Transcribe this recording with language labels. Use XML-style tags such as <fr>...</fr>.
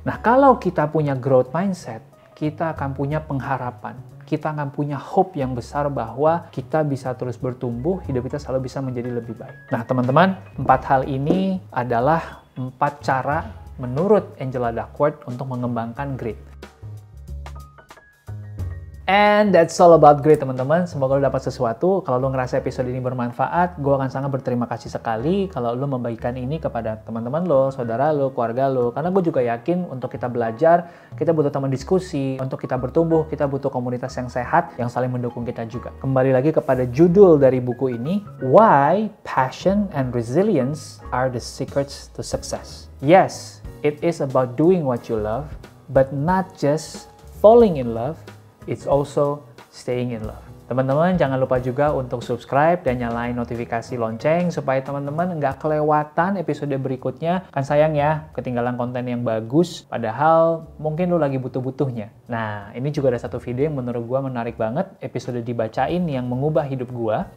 <id>Nah, kalau kita punya growth mindset, kita akan punya pengharapan. Kita akan punya hope yang besar bahwa kita bisa terus bertumbuh, hidup kita selalu bisa menjadi lebih baik. Nah, teman-teman, 4 hal ini adalah 4 cara menurut Angela Duckworth untuk mengembangkan grit.</id> <en>And that's all about grit,</en> <id>teman-teman. Semoga lo dapat sesuatu. Kalau lo ngerasa episode ini bermanfaat, gue akan sangat berterima kasih sekali kalau lo membagikan ini kepada teman-teman lo, saudara lo, keluarga lo. Karena gue juga yakin untuk kita belajar, kita butuh teman diskusi. Untuk kita bertumbuh, kita butuh komunitas yang sehat, yang saling mendukung kita juga. Kembali lagi kepada judul dari buku ini, Why Passion and Resilience Are the Secrets to Success.</id> <en>Yes, it is about doing what you love, but not just falling in love, it's also staying in love.</en> <id>Teman-teman, jangan lupa juga untuk subscribe dan nyalain notifikasi lonceng supaya teman-teman nggak kelewatan episode berikutnya. Kan sayang ya, ketinggalan konten yang bagus, padahal mungkin lu lagi butuh-butuhnya. Nah, ini juga ada satu video yang menurut gua menarik banget, episode dibacain yang mengubah hidup gua.</id>